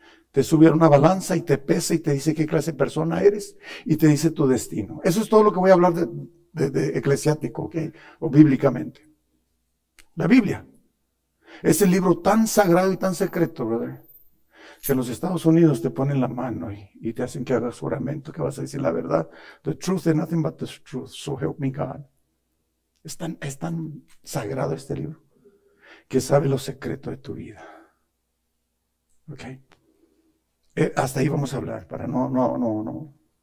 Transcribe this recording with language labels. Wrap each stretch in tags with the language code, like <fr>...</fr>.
<es>Te sube a una balanza y te pesa y te dice qué clase de persona eres y te dice tu destino. Eso es todo lo que voy a hablar de eclesiástico, ¿okay? O bíblicamente. La Biblia es el libro tan sagrado y tan secreto, brother, que en los Estados Unidos te ponen la mano y te hacen que hagas juramento, que vas a decir la verdad.</es> <en>The truth is nothing but the truth, so help me God.</en> <es>Es tan sagrado este libro que sabe los secretos de tu vida. ¿Ok? Hasta ahí vamos a hablar, para no.</es>